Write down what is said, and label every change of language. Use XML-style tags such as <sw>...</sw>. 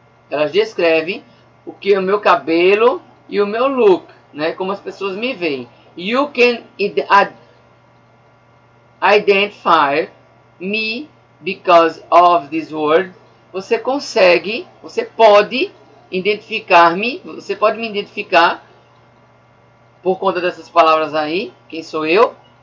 <pt>Elas descrevem o que é o meu cabelo e o meu look, né? Como as pessoas me veem.</pt> <en>You can identify me because of this word.</en> <pt>Você pode me identificar por conta dessas palavras aí, quem sou eu.</pt>